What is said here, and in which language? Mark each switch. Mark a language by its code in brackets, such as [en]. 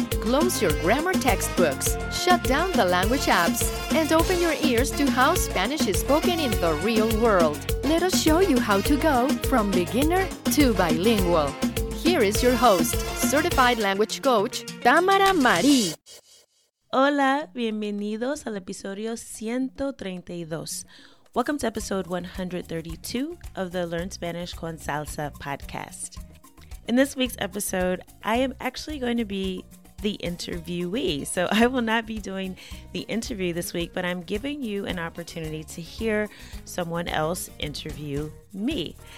[en] Close your grammar textbooks, shut down the language apps, and open your ears to how Spanish is spoken in the real world. Let us show you how to go from beginner to bilingual. Here is your host, certified language coach, Tamara Marie. [es] Hola, bienvenidos al episodio 132. [en] Welcome to episode 132 of the Learn Spanish con Salsa podcast. In this week's episode, I am actually going to be the interviewee. So I will not be doing the interview this week, but I'm giving you an opportunity to hear someone else interview me.